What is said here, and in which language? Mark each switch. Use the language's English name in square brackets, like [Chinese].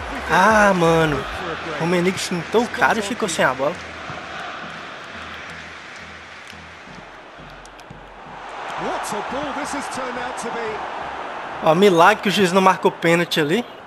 [Portuguese] Ah, mano. O Rummenigge sentou o cara e ficou sem a bola. [English] What a ball this has turned out to be. [Portuguese] Ó, milagre que o juiz não marcou pênalti ali.